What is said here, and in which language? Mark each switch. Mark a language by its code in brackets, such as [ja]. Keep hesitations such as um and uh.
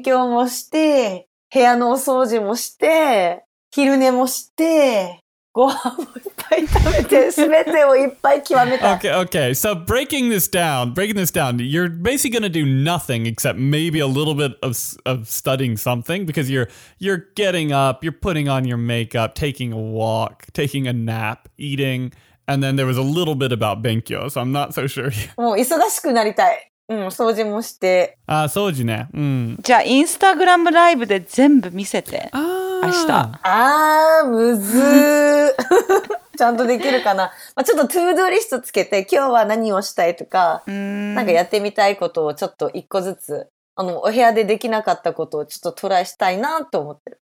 [ja] 部屋のお掃除もして、昼寝もして、ご飯もいっぱい食べて、すべてをいっぱい極めた。 [en] okay, okay. So breaking this down, breaking this down, you're basically gonna do nothing except maybe a little bit of, of studying something because you're, you're getting up, you're putting on your makeup, taking a walk, taking a nap, eating, and then there was a little bit about Benkyo, so I'm not so sure. [ja] もう忙しくなりたい。うん、掃除もして。あ、掃除ね。うん。じゃあ、インスタグラムライブで全部見せて。ああ。明日。ああ、むずー。ちゃんとできるかな。まあ、ちょっとトゥードーリストつけて、今日は何をしたいとか、なんかやってみたいことをちょっと一個ずつ、あの、お部屋でできなかったことをちょっとトライしたいなと思ってる。